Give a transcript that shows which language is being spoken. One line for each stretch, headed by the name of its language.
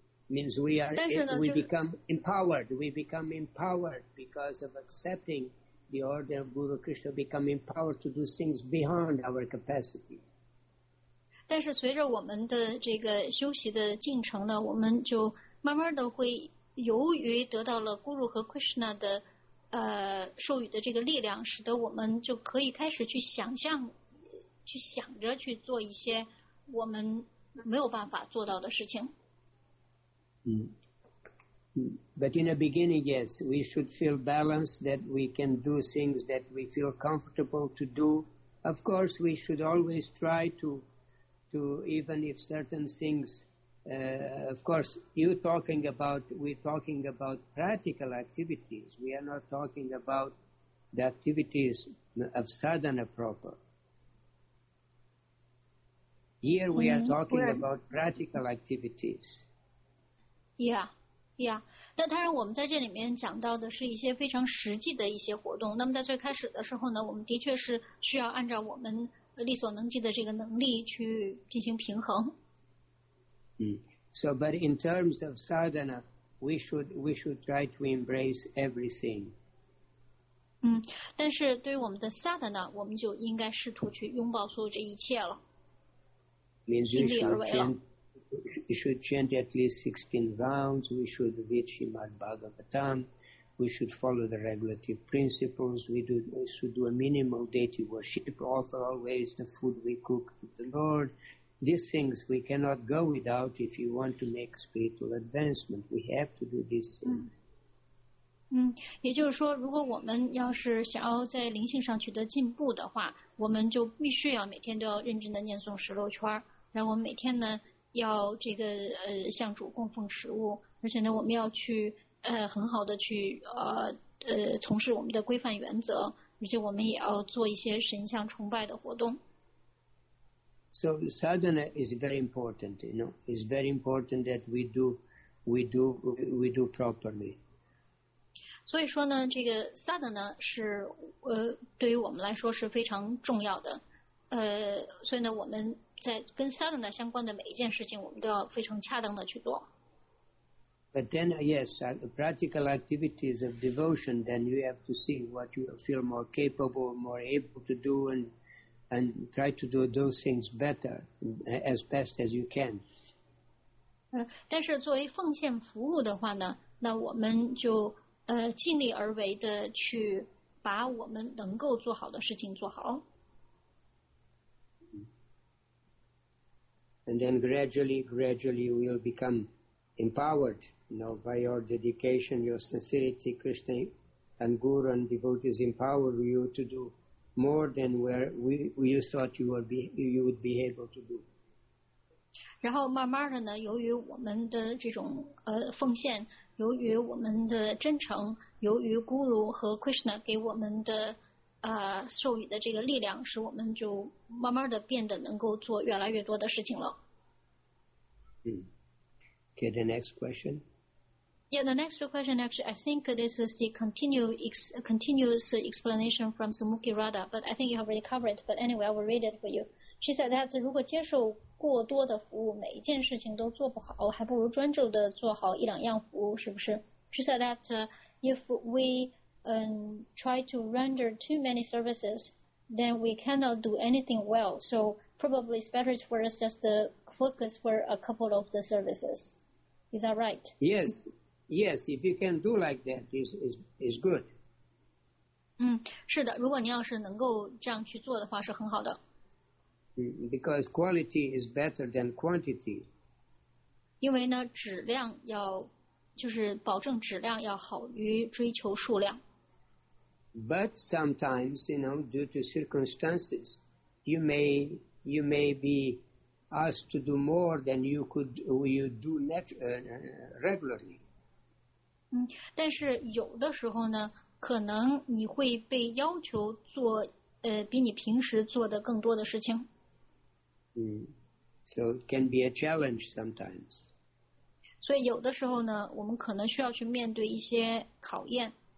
English: Means we are we become empowered because of accepting the order of Guru Krishna, become empowered to do things beyond our capacity.
Chinese: 但是随着我们的这个修习的进程呢，我们就慢慢的会由于得到了 Guru 和 Krishna 的授予的这个力量，使得我们就可以开始去想象，去想着去做一些我们没有办法做到的事情。
English: But in the beginning, yes, we should feel balanced that we can do things that we feel comfortable to do. Of course, we should always try to even if certain things, of course, we're talking about practical activities. We are not talking about the activities of sadhana proper. Here we are talking about practical activities. Yeah.
Chinese: 那当然我们在这里面讲到的是一些非常实际的一些活动。那么在最开始的时候呢，我们的确是需要按照我们力所能及的这个能力去进行平衡。
English: So, but in terms of sadhana, we should try to embrace everything.
Chinese: 但是对于我们的 sadhana， 我们就应该试图去拥抱所有这一切了。
English: Means we should chant at least 16 rounds. We should read Srimad Bhagavatam. We should follow the regulative principles. We should do a minimal deity worship. Offer always the food we cook to the Lord. These things we cannot go without if you want to make spiritual advancement. We have to do these things.
Chinese: 也就是说，如果我们要是想要在灵性上取得进步的话，我们就必须要每天都要认真的念诵十六圈。然后我们每天呢要这个向主供奉食物，而且呢我们要去很好的去从事我们的规范原则，而且我们也要做一些神像崇拜的活动。
English: So sadhana is very important, you know, it's very important that we do properly.
Chinese: 所以说呢，这个 sadhana 是对于我们来说是非常重要的，所以呢我们。在跟 sadhana 相关的每一件事情，我们都要非常恰当的去做。
English: But then, yes, practical activities of devotion, then you have to see what you feel more capable, more able to do, and try to do those things better as best as you can.
Chinese: 但是作为奉献服务的话呢，那我们就尽力而为的去把我们能够做好的事情做好。
English: And then gradually you will become empowered, you know, by your dedication, your sincerity, Krishna and Guru and devotees empower you to do more than you thought you would be able to do.
Chinese: 然后慢慢的呢，由于我们的这种奉献，由于我们的真诚，由于 Guru 和 Krishna 给我们的授予的这个力量，使我们就慢慢的变得能够做越来越多的事情了。
English: Okay, the next question. Yeah, the next question actually, I think this is the continuous explanation from Sumukhi Radha, but I think you have already covered it. But anyway, I will read it for you. She said that
Chinese: 如果接受过多的服务，每一件事情都做不好，还不如专注的做好一两样服务，是不是？
English: She said that if we try to render too many services, then we cannot do anything well. So probably it's better for us just to focus for a couple of the services. Is that right? Yes. Yes, if you can do like that, it's good.
Chinese: 是的，如果您要是能够这样去做的话，是很好的。
English: Because quality is better than quantity.
Chinese: 因为呢，质量要，就是保证质量要好于追求数量。
English: But sometimes, you know, due to circumstances, you may be asked to do more than you do regularly.
Chinese: 但是有的时候呢，可能你会被要求做比你平时做的更多的事情。
English: So it can be a challenge sometimes.
Chinese: 所以有的时候呢，我们可能需要去面对一些考验。